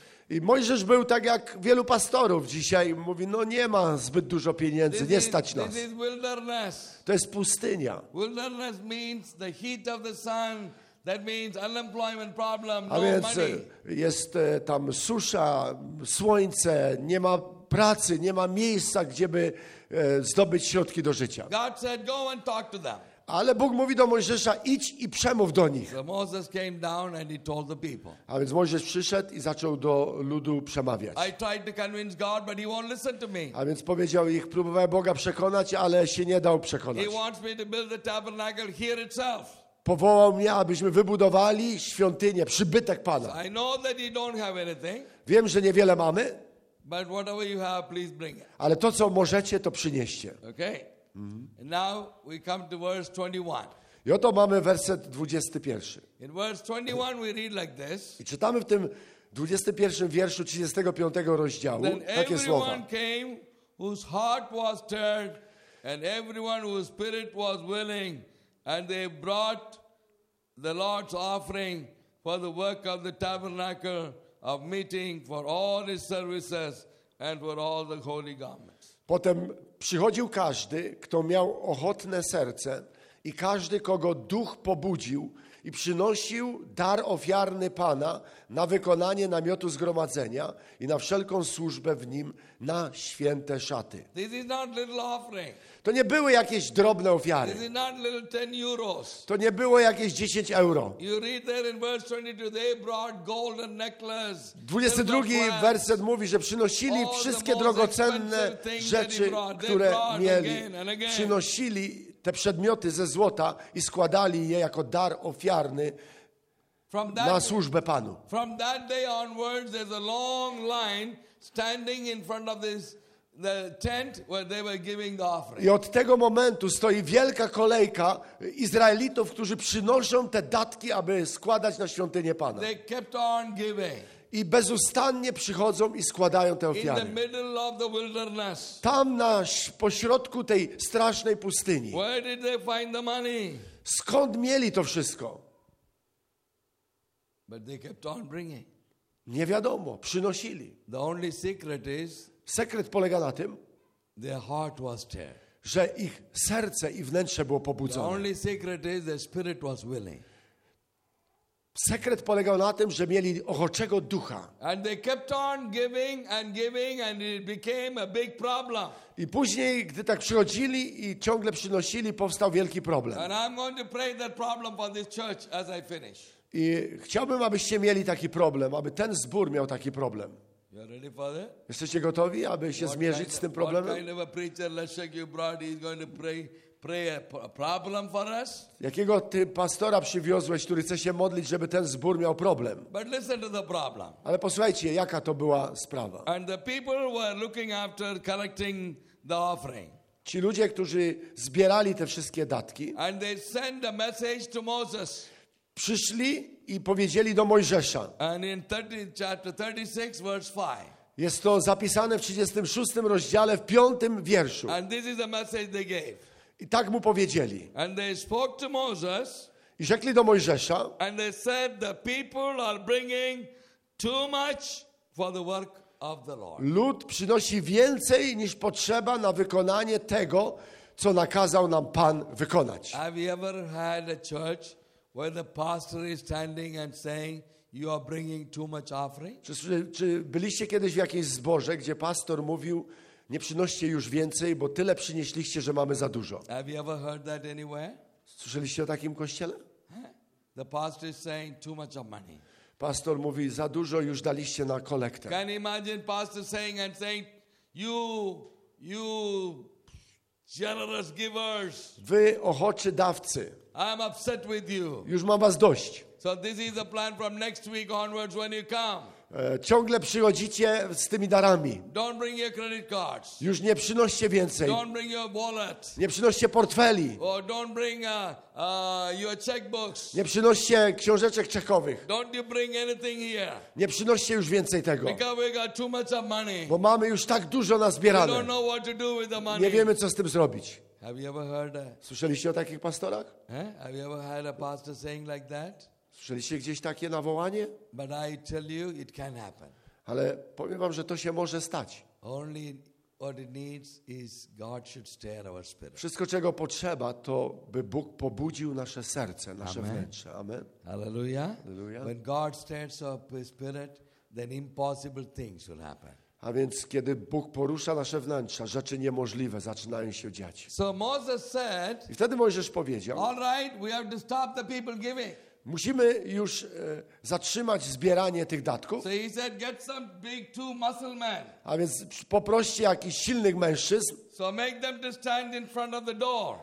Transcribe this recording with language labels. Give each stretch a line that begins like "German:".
Polish: I Mojżesz był tak jak wielu pastorów dzisiaj. Mówi, no nie ma zbyt dużo pieniędzy, nie stać nas. To jest pustynia.
English: Wilderness means the heat of the sun. That means unemployment problem,
Polish: a więc jest tam susza, słońce, nie ma pracy, nie ma miejsca, gdzie by zdobyć środki do życia.
English: God said, go and talk to them.
Polish: Ale Bóg mówi do Mojżesza, idź i przemów do nich.
English: So Moses came down and he told the people.
Polish: A więc Mojżesz przyszedł i zaczął do ludu przemawiać.
English: I tried to convince God, but he won't listen to me.
Polish: A więc powiedział ich, próbowałem Boga przekonać, ale się nie dał przekonać.
English: He wants me to build the tabernacle here itself.
Polish: Powołał mnie, abyśmy wybudowali świątynię, przybytek Pana.
English: So I know that you don't have anything.
Polish: Wiem, że niewiele mamy.
English: But whatever you have, please bring it.
Polish: Ale to, co możecie, to przynieście.
English: Okay. Mm-hmm. And now we come to verse 21.
Polish: I oto mamy werset 21.
English: In verse 21 we read like this.
Polish: I czytamy w tym 21 wierszu 35 rozdziału takie słowa.
English: Then everyone came whose heart was turned, and everyone whose spirit was willing, and they brought the Lord's offering for the work of the tabernacle. Of meeting for all his services and for all the holy garments.
Polish: Potem przychodził każdy, kto miał ochotne serce i każdy, kogo duch pobudził i przynosił dar ofiarny Pana na wykonanie namiotu zgromadzenia i na wszelką służbę w nim na święte szaty.
English: This is not little offering.
Polish: To nie były jakieś drobne ofiary.
English: This is not little 10 euros.
Polish: To nie było jakieś 10 euro.
English: You read there in verse 22, they brought gold and necklace.
Polish: 22 werset mówi, że przynosili wszystkie drogocenne rzeczy, które mieli. Przynosili te przedmioty ze złota i składali je jako dar ofiarny na służbę Panu.
English: From that day onwards, there's a long line standing in front of this the tent where they were giving the offering.
Polish: I od tego momentu stoi wielka kolejka Izraelitów, którzy przynoszą te datki, aby składać na świątynię Pana.
English: They kept on giving.
Polish: I bezustannie przychodzą i składają te ofiary.
English: In the middle of the wilderness.
Polish: Tam na pośrodku tej strasznej pustyni.
English: Where did they find the money?
Polish: Skąd mieli to wszystko?
English: But they kept on bringing.
Polish: Nie wiadomo, przynosili.
English: The only secret is,
Polish: sekret polega na tym,
English: their heart was there.
Polish: Że ich serce i wnętrze było pobudzone.
English: The only secret is, their spirit was willing.
Polish: Sekret polegał na tym, że mieli ochoczego ducha.
English: And they kept on giving and giving and it became a big problem.
Polish: I później, gdy tak przychodzili i ciągle przynosili, powstał wielki problem.
English: And I'm going to pray that problem for this church as I finish.
Polish: I chciałbym, abyście mieli taki problem, aby ten zbór miał taki problem.
English: You ready for that?
Polish: Jesteście gotowi, aby się
English: what
Polish: zmierzyć
English: kind of,
Polish: z tym problemem?
English: What kind of a preacher Leszek you brought, he's going to pray. Pray a problem for us.
Polish: Jakiego ty pastora przywiozłeś, który chce się modlić, żeby ten zbór miał problem?
English: But listen to the problem.
Polish: Ale posłuchajcie, jaka to była sprawa.
English: And the people were looking after collecting the offering.
Polish: Ci ludzie, którzy zbierali te wszystkie datki.
English: And they send a message to Moses.
Polish: Przyszli i powiedzieli do Mojżesza.
English: And in 30, chapter 36, verse 5.
Polish: Jest to zapisane w 36 rozdziale, w 5 wierszu.
English: And this is the message they gave.
Polish: I tak mu powiedzieli.
English: And they spoke to Moses,
Polish: i rzekli do Mojżesza.
English: And they said the people are bringing too much for the work of the Lord.
Polish: Lud przynosi więcej niż potrzeba na wykonanie tego, co nakazał nam Pan wykonać.
English: Have you ever had a church where the pastor is standing and saying you are bringing too much offering?
Polish: Czy byliście kiedyś w jakimś zborze, gdzie pastor mówił, Nie przynoście już więcej, bo tyle przynieśliście, że mamy za dużo.
English: Have you ever heard that anywhere?
Polish: Słyszeliście o takim kościele?
English: The pastor is saying too much of money.
Polish: Pastor mówi, za dużo już daliście na kolektę.
English: Can you imagine pastor saying and saying, you generous givers.
Polish: Wy ochoczy dawcy.
English: I'm upset with you.
Polish: Już mam was dość.
English: So this is the plan from next week onwards when you come.
Polish: Ciągle przychodzicie z tymi darami.
English: Don't bring your credit cards.
Polish: Już nie przynoście więcej.
English: Don't bring your wallet.
Polish: Nie przynoście portfeli.
English: Or don't bring your checkbooks.
Polish: Nie przynoście książeczek czekowych.
English: Don't you bring anything here.
Polish: Nie przynoście już więcej tego.
English: Because we got too much of money.
Polish: Bo mamy już tak dużo nazbierane.
English: We don't know what to do with the money.
Polish: Nie wiemy, co z tym zrobić.
English: Have you ever heard a...
Polish: Słyszeliście o takich pastorach? Eh?
English: Have you ever heard a pastor saying like that?
Polish: Słyszeliście gdzieś takie nawołanie?
English: But I tell you, it can happen.
Polish: Ale powiem wam, że to się może stać.
English: Only what it needs is God should stir our spirit.
Polish: Wszystko, czego potrzeba, to by Bóg pobudził nasze serce, nasze wnętrze.
English: Amen. Hallelujah. Hallelujah. When God stirs up His spirit, then impossible things will happen.
Polish: A więc kiedy Bóg porusza nasze wnętrza, rzeczy niemożliwe zaczynają się dziać.
English: So Moses said,
Polish: i wtedy Mojżesz powiedział,
English: all right, we have to stop the people giving.
Polish: Musimy już zatrzymać zbieranie tych datków.
English: So he said, get some big two muscle men.
Polish: A więc poproście jakichś silnych mężczyzn,
English: so make them to stand in front of the door.